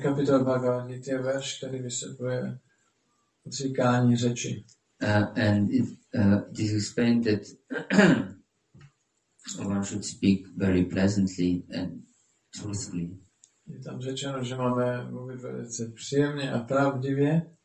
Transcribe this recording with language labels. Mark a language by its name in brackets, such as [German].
[Czech] kapitol Bhagavad Gita je verš, který vysvětluje odříkání řeči. [English] And it is explained that one should speak very pleasantly and truthfully. [Czech] Je tam řečeno, že máme mluvit velice příjemně a pravdivě.